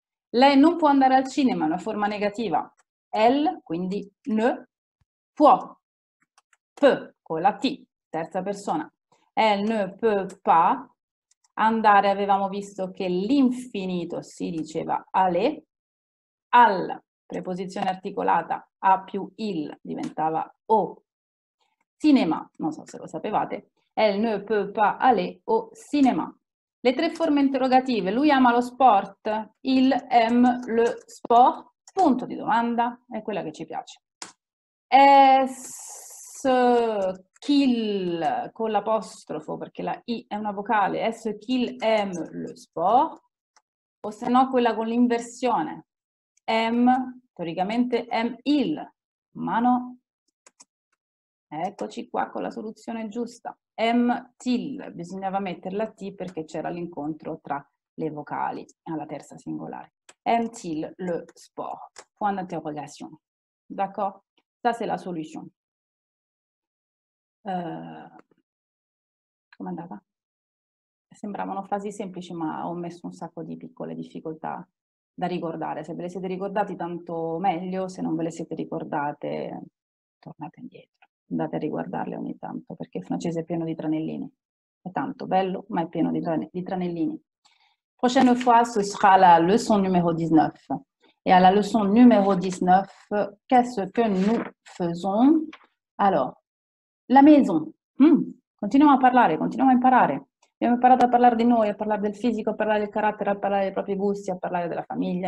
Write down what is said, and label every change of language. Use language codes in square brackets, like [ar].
[it] Lei non può andare al cinema, una forma negativa. Elle, quindi ne, può, peut, con la T, terza persona. [fr] Elle ne peut pas [it] andare, avevamo visto che l'infinito si diceva aller, al, preposizione articolata, a più il, diventava au. [fr] Cinema, [it] non so se lo sapevate, [fr] elle ne peut pas aller au cinéma. [it] Le tre forme interrogative, lui ama lo sport, [fr] il aime le sport. [it] Punto di domanda è quella che ci piace. Est-ce qu'il, con l'apostrofo perché la I è una vocale, [fr] est-ce qu'il aime le sport? [it] O se no quella con l'inversione. Aime, teoricamente aime il, ma no. Eccoci qua con la soluzione giusta. [fr] Aime-t-il, [it] bisognava mettere la T perché c'era l'incontro tra le vocali alla terza singolare. [fr] Aime-t-il le sport? Point d'interrogation. D'accord? Ça, c'est la solution. [it] Come andava? Sembravano frasi semplici, ma ho messo un sacco di piccole difficoltà da ricordare. Se ve le siete ricordati, tanto meglio. Se non ve le siete ricordate, tornate indietro. Andate a riguardarle ogni tanto, perché il francese è pieno di tranellini. È tanto bello, ma è pieno di tranellini. [fr] Prochaine fois, ce sera la leçon numéro 19. Et à la leçon numéro 19, qu'est-ce que nous faisons? Alors, la maison. [it] Continuiamo a parlare, continuiamo a imparare. Abbiamo imparato a parlare di noi, a parlare del fisico, a parlare del carattere, a parlare dei propri gusti, a parlare della famiglia.